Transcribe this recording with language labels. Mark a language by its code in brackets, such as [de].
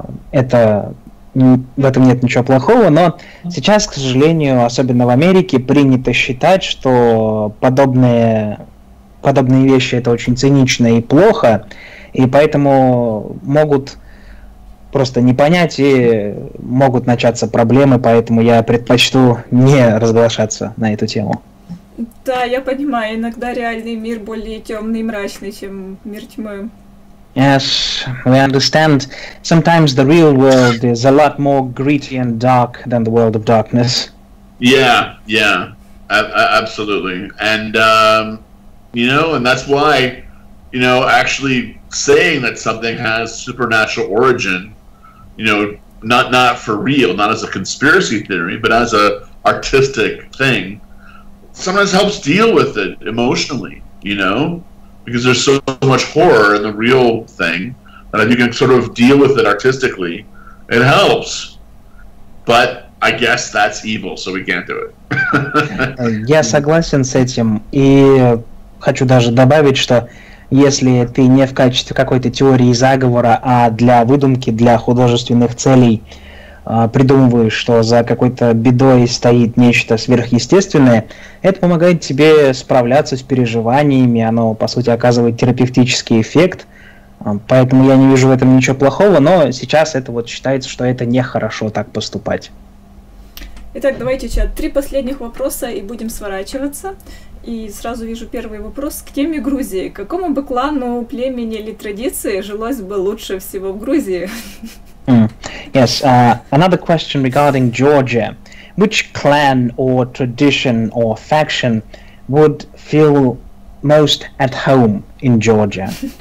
[ru] Это, в этом нет ничего плохого, но сейчас, к сожалению, особенно в Америке, принято считать, что подобные вещи это очень цинично и плохо, и поэтому могут просто не понять, и могут начаться проблемы, поэтому я предпочту не разглашаться на эту тему. Да, я понимаю, иногда реальный мир более темный и мрачный, чем мир тьмы. [en] Yes, we understand. Sometimes the real world is a lot more gritty and dark than the world of darkness. Yeah, absolutely. And, you know, and that's why, you know, actually saying that something has supernatural origin, you know, not for real, not as a conspiracy theory, but as a artistic thing, sometimes helps deal with it emotionally, you know, because there's so much horror in the real thing that if you can sort of deal with it artistically, it helps. But I guess that's evil, so we can't do it. [ru] Я согласен с этим, и хочу даже добавить, что если ты не в качестве какой-то теории заговора, а для выдумки, для художественных целей придумываешь, что за какой-то бедой стоит нечто сверхъестественное, это помогает тебе справляться с переживаниями, оно, по сути, оказывает терапевтический эффект, поэтому я не вижу в этом ничего плохого, но сейчас это вот считается, что это нехорошо так поступать. Итак, давайте сейчас три последних вопроса и будем сворачиваться. И сразу вижу первый вопрос к теме Грузии. Какому бы клану, племени или традиции жилось бы лучше всего в Грузии? [en] Yes, another question regarding Georgia. Which clan or tradition or faction would feel most at home in Georgia?